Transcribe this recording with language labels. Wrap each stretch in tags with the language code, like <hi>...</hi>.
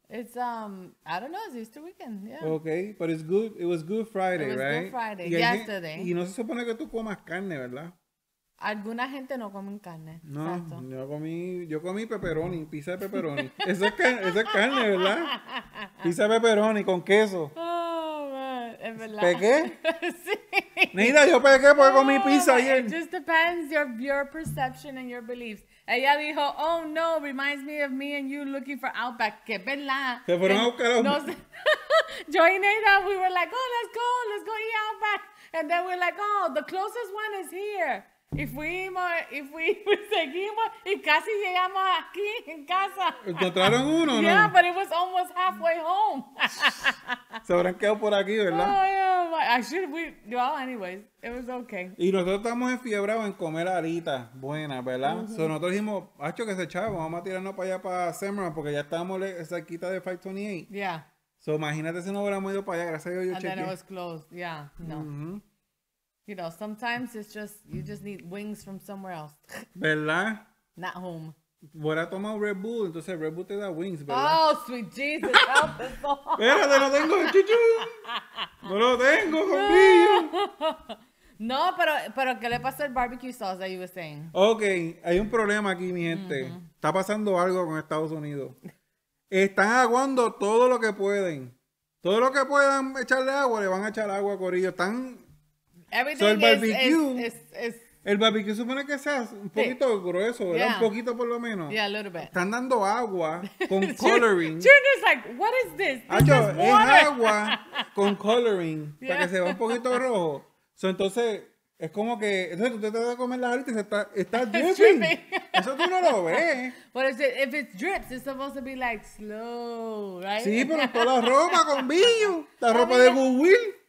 <en>It's I don't know, it's Easter weekend, yeah. Okay, but it was Good Friday, it was right? Good Friday, y yesterday.</en> <es>Y no se supone que tú comas carne, ¿verdad? Alguna gente no comen carne. No, exacto. Yo comí pepperoni, pizza de pepperoni. Eso es carne, ¿verdad? Pizza de pepperoni con queso.</es> <en>Oh, man,</en> <es>es verdad. ¿Pequé? Sí. Nida, yo pequé porque comí pizza ayer.</es> <en>It just depends your perception and your beliefs.</en> <es>Ella dijo,</es> <en>oh, no, reminds me of me and you looking for Outback.</en> <es>Que es verdad. Se fueron a buscar a un... Yo y</es> <en>Nida, we were like, oh, let's go eat Outback. And then we're like, oh, the closest one is here.</en> <es>Y fuimos, seguimos, y casi llegamos aquí, en casa. ¿Encontraron uno o no?</es> <en>Yeah, but it was almost halfway home.</en> <es>Se habrán quedado por aquí, ¿verdad?</es> <en>Oh, yeah, anyways, it was okay.</en> <es>Y nosotros estamos enfiebrados en comer alitas buenas, ¿verdad? Uh-huh. So nosotros dijimos, acho que se echaba, vamos a tirarnos para allá, para Cimarron, porque ya estábamos cerquita de 528.</es> <en>Yeah.</en> <es>So imagínate si no hubiéramos ido para allá, gracias a Dios yo chequeé.</es> <en>And then it was closed, yeah, no. Mm-hmm. You know, sometimes it's just, you just need wings from somewhere else.</en> <es>¿Verdad?</es> <en>Not home.</en> <es>Hubiera tomado Red Bull, entonces Red Bull te da wings, ¿verdad?</es> <en>Oh, sweet Jesus, help us all.</en> <es>Espérate, lo tengo, chuchu. No lo tengo, conmigo. No, pero ¿qué le pasó al barbecue sauce</es> <en>that you were saying?</en> <es>Okay, hay un problema aquí, mi gente. Mm-hmm. Está pasando algo con Estados Unidos. Están aguando todo lo que pueden. Todo lo que puedan echarle agua, le van a echar agua, corillo. Están...</es> <en>Everything so,</en> <es>el</es> <en>barbecue</en> <es>supone que sea un poquito thick. Grueso, ¿verdad?</es> <en>Yeah.</en> <es>Un poquito por lo menos.</es> <en>Yeah, a little bit.</en> <es>Están dando agua con coloring.</es> <en>Junior's like, what is this? This is water.</en> <es>Es agua con coloring, yeah. Para que se vea un poquito rojo. So, entonces, es como que, entonces tú te vas a comer la alita y está dripping. Eso tú no lo ves.</es> <en>But if it drips, it's supposed to be like slow, right?</en> <es>Sí, pero toda la ropa con billo, la ropa de Google.</es>